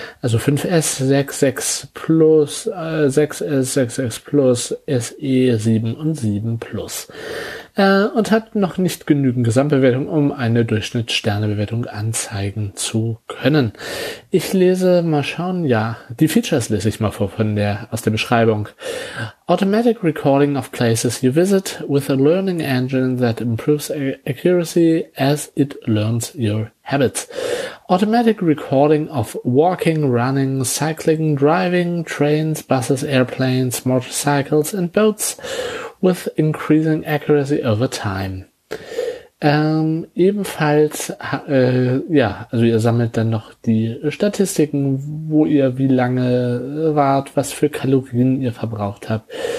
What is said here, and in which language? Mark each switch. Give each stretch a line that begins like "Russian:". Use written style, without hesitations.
German: Also 5S, 6S Plus, 6S, 6S Plus, SE 7 und 7 Plus. Und hat noch nicht genügend Gesamtbewertung, um eine Durchschnittssternebewertung anzeigen zu können. Ich lese mal schauen, ja, die Features lese ich mal vor von der, aus der Beschreibung.
English: Automatic recording of places you visit with a learning engine that improves accuracy as it learns your habits. Automatic recording of walking, running, cycling, driving, trains, buses, airplanes, motorcycles and boats with increasing accuracy over time.
German: Ebenfalls, ja, also ihr sammelt dann noch die Statistiken, wo ihr wie lange wart, was für Kalorien ihr verbraucht habt.